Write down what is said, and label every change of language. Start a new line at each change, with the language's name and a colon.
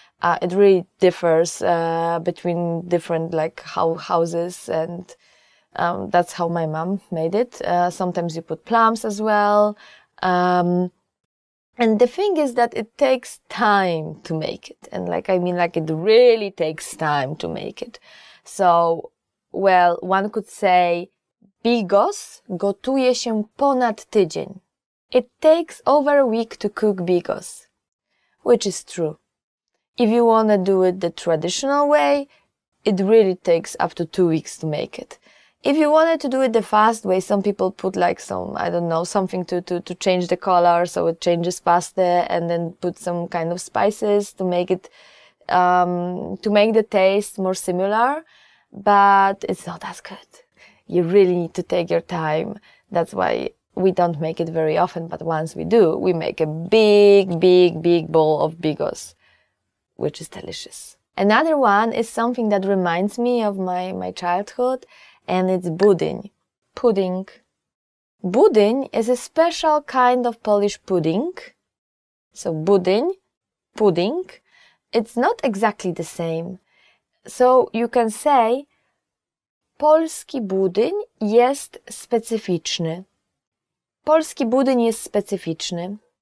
English: It really differs between different houses, and that's how my mom made it. Sometimes you put plums as well. And the thing is that it takes time to make it. And it really takes time to make it. So, well, one could say,
Polish: bigos gotuje się ponad tydzień.
English: It takes over a week to cook bigos, which is true. If you want to do it the traditional way, it really takes up to 2 weeks to make it. If you wanted to do it the fast way, some people put something to change the color so it changes faster, and then put some kind of spices to make it, to make the taste more similar, but it's not as good. You really need to take your time. That's why we don't make it very often, but once we do, we make a big, big, big bowl of bigos, which is delicious. Another one is something that reminds me of my childhood, and it's budyń. Pudding. Budyń is a special kind of Polish pudding. So budyń, pudding, it's not exactly the same. So you can say,
Polish: polski budyń jest specyficzny. Polski budyń jest specyficzny.